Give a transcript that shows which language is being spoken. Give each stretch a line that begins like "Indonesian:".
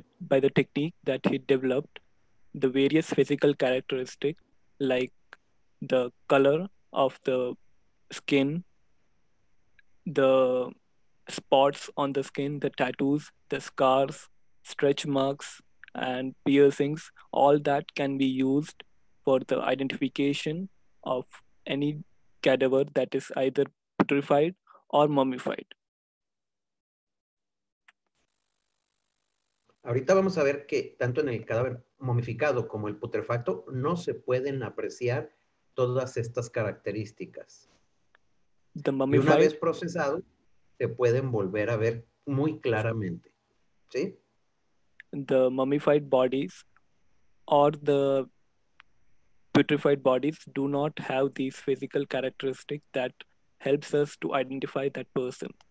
English: By the technique that he developed, the various physical characteristics like the color of the skin, the spots on the skin, the tattoos, the scars, stretch marks, and piercings, all that can be used for the identification of any cadaver that is either putrefied or mummified.
Spanish: Ahorita vamos a ver que tanto en el cadáver momificado como el putrefacto no se pueden apreciar todas estas características.
English: The mummified,
Spanish: y una vez procesado, se pueden volver a ver muy claramente. ¿Sí?
English: The mummified bodies or the putrefied bodies do not have these physical characteristics that helps us to identify that person.